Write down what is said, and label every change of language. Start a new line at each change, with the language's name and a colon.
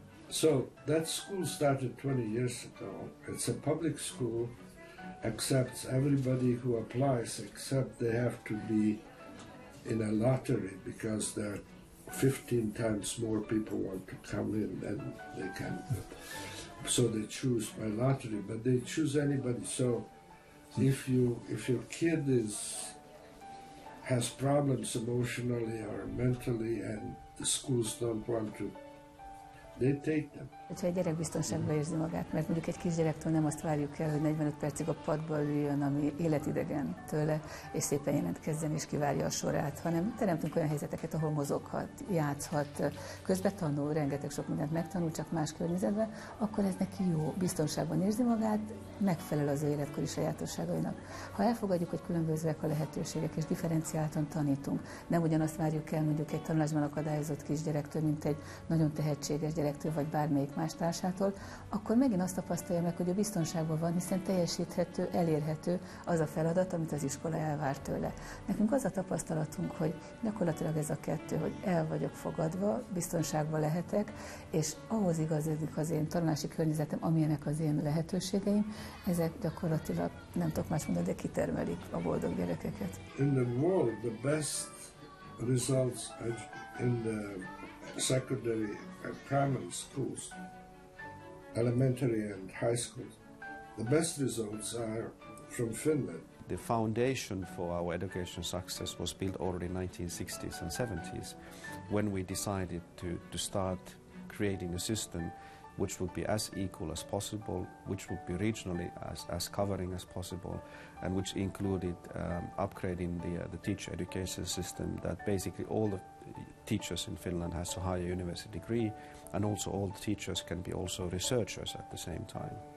English: So that school started 20 years ago. It's a public school, accepts everybody who applies, except they have to be in a lottery because there are 15 times more people want to come in than they can. So they choose by lottery, but they choose anybody. So if your kid has problems emotionally or mentally and the schools don't want to, they take them.
Hungarian: Hogyha egy gyerek biztonságban érzi magát, mert mondjuk egy kisgyerektől nem azt várjuk el, hogy 45 percig a padba üljön, ami életidegen tőle, és szépen jelentkezzen és kivárja a sorát, hanem teremtünk olyan helyzeteket, ahol mozoghat, játszhat, közben tanul, rengeteg sok mindent megtanul, csak más környezetben, akkor ez neki jó, biztonságban érzi magát, megfelel az életkori sajátosságainak. Ha elfogadjuk, hogy különbözőek a lehetőségek, és differenciáltan tanítunk, nem ugyanazt várjuk el mondjuk egy tanulásban akadályozott kisgyerektől, mint egy nagyon tehetséges gyerektől, vagy bármelyik más társától, akkor megint azt tapasztalja meg, hogy a biztonságban van, hiszen teljesíthető, elérhető az a feladat, amit az iskola elvár tőle. Nekünk az a tapasztalatunk, hogy gyakorlatilag ez a kettő, hogy el vagyok fogadva, biztonságban lehetek, és ahhoz igazodik az én tanulási környezetem, amilyenek az én lehetőségeim, ezek gyakorlatilag, nem tudok más mondani, de kitermelik a boldog gyerekeket.
English: In the world, the best results in the secondary and primary schools, elementary and high schools, the best results are from Finland. The foundation for our education success was built already in 1960s and 70s, when we decided to start creating a system which would be as equal as possible, which would be regionally as covering as possible, and which included upgrading the teacher education system, that basically all the teachers in Finland has a higher university degree, and also all the teachers can be also researchers at the same time.